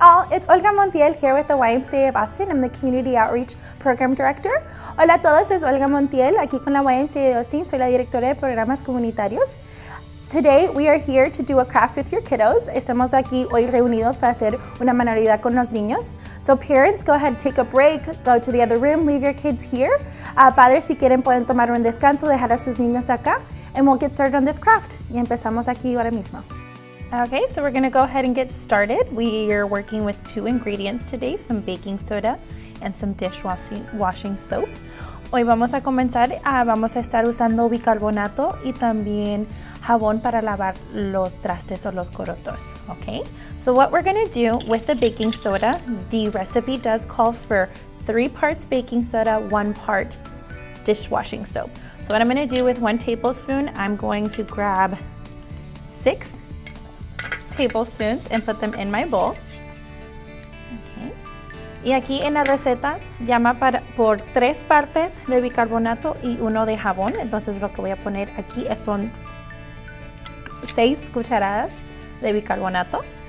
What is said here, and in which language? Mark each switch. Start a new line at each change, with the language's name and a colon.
English: it's Olga Montiel here with the YMCA of Austin. I'm the Community Outreach Program Director.
Spanish: Hola a todos, es Olga Montiel, aquí con la YMCA de Austin. Soy la directora de programas comunitarios.
English: Today, we are here to do a craft with your kiddos.
Spanish: Estamos aquí hoy reunidos para hacer una manualidad con los niños.
English: So parents, go ahead, take a break, go to the other room, leave your kids here.
Spanish: Padres, si quieren, pueden tomar un descanso, dejar a sus niños acá,
English: and we'll get started on this craft.
Spanish: Y empezamos aquí ahora mismo.
English: Okay, so we're gonna go ahead and get started. We are working with two ingredients today, some baking soda and some dishwashing soap.
Spanish: Hoy vamos a comenzar, vamos a estar usando bicarbonato y también jabón para lavar los trastes o los corotos, okay?
English: So what we're gonna do with the baking soda, the recipe does call for 3 parts baking soda, 1 part dishwashing soap. So what I'm gonna do with 1 tablespoon, I'm going to grab 6 tablespoons and put them in my bowl.
Spanish: Y aquí en la receta llama por 3 partes de bicarbonato y 1 de jabón. Entonces lo que voy a poner aquí son 6 cucharadas de bicarbonato.